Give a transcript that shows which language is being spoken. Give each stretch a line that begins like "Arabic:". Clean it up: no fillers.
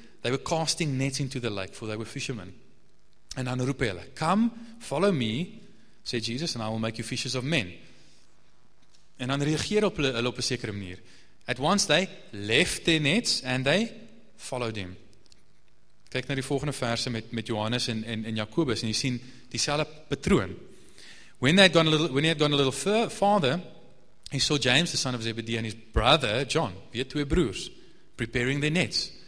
English: They were casting nets into the lake, for they were fishermen. And
Afrikaans: dan roep hulle,
English: come, follow me, said Jesus, and I will make you fishers of men.
Afrikaans: En dan reageer op hulle op 'n sekere manier.
English: At once they left their nets, and they followed him.
Afrikaans: Kyk na die volgende verse met Johannes en Jakobus, en jy sien dieselfde patroon.
English: When he had gone a little farther, he saw James, the son of Zebedee, and his brother, John,
Afrikaans: weer twee broers,
English: preparing their nets.